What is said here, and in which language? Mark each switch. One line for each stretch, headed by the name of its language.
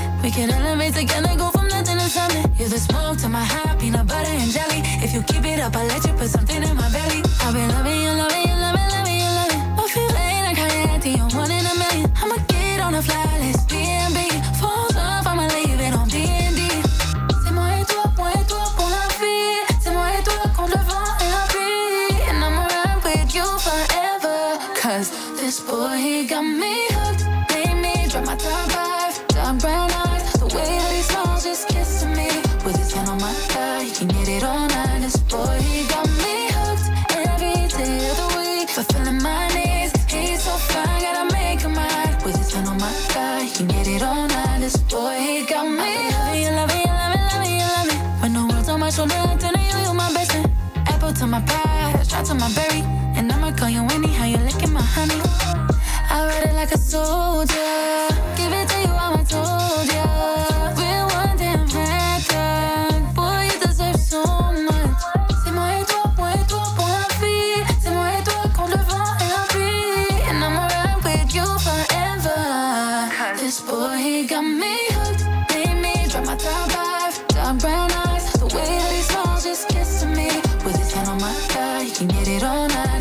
English: Can elevate together, go from nothing to something. You're the smoke to my heart, peanut butter and jelly. If if you keep it up, I'll let you put something in my belly. I've been loving you, loving you, loving, loving you, loving. Don't feel late, I call you auntie, I'm one in a million. I'ma get on a fly, let's B&B. Falls off, I'ma leave it on D&D.
French: Tais-moi et toi pour la vie. Tais-moi et toi quand le vent est la pluie.
English: And I'ma ride with you forever. Cause this boy, he got me hooked. Made me drop my top five. Dark brown eyes, the way that he smiles, just kissing me. With his hand on my thigh, he can get it all night. This boy, he got me hooked every day of the week. Fulfilling my needs, he's so fine, gotta make him mine. With his hand on my thigh, he can get it all night. This boy, he got me hooked. Love me, love me, love me, love me, love me. When the world's on my shoulder, I turn to you, you're my best friend. Apple to my pie, straw to my berry. And I'ma call you Winnie, how you licking my honey? I ride it like a soldier. Give it to you, I'm a soldier. Real one damn record. Boy, you deserve so much.
French: C'est moi et toi, moi et toi pour la vie. C'est moi et toi quand le vent est en pluie.
English: And I'ma ride with you forever. This boy, he got me hooked. Made me drop my top five. Dark brown eyes, the way that he smiles, just kissing me. With his hand on my thigh, he can get it all night.